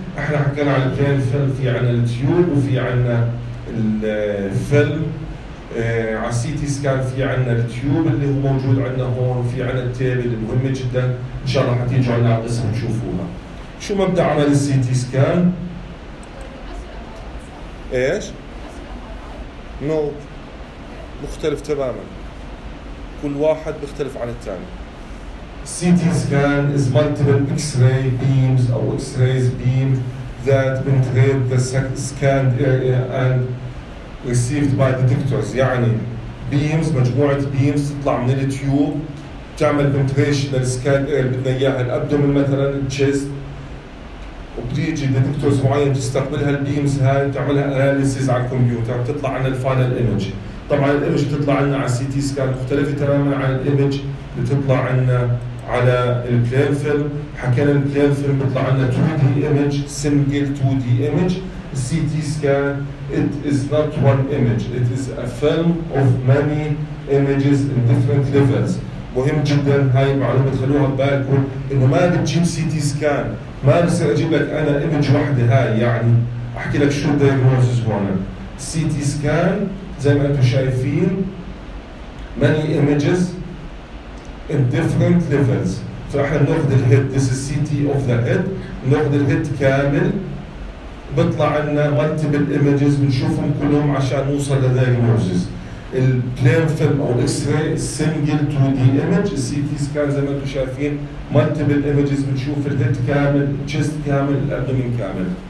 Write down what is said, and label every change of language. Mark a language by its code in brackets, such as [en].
[ar] احنا حكينا عن الفيلم، في عنا التيوب وفي عنا الفيلم على سي تي سكان، في عنا التيوب اللي هو موجود عندنا هون، وفي عنا التابل المهمة جدا ان شاء الله حتيجوا عنا قسم تشوفوها. شو مبدأ عمل السي تي سكان؟ ايش؟ نوت مختلف تماما، كل واحد بيختلف عن الثاني. [en] CT scan is multiple X-ray beams or X-rays beam that penetrate the scanned area and received by detectors. [ar] يعني beams، مجموعة beams تطلع من التيوب تعمل penetration للscanned area بدنا إياها، الأبدومن مثلاً، chest، وبتيجي detectors معين تستقبلها beams هاي تعملها analysis على الكمبيوتر تطلع عنا final image. طبعاً الإيمج تطلع عنا على CT scan مختلفة تماماً عن الإيمج بتطلع عنا على البلان فيلم. حكينا البلان فيلم بيطلع لنا 2D image، single 2D image. [en] CT scan it is not one image, it is a film of many images in different levels. [ar] مهم جدا هاي المعلومة تخلوها ببالكم، انه ما بتجيب CT scan ما بصير اجيب لك انا image واحدة هاي، يعني احكي لك شو diagnosis هون. [en] CT scan [ar] زي ما انتم شايفين [en] many images in different levels. [ar] فاحنا ناخذ الهيد، [en] this is CT of the head، [ar] ناخذ الهيد كامل بيطلع لنا [en] multiple images [ar] بنشوفهم كلهم عشان نوصل للدايجنوزز. البلان فيلم او الاكس راي سنجل 2D image، السي تي سكان زي ما انتم شايفين [en] multiple images [ar] بنشوف الهيد كامل، chest كامل، الابدومين كامل.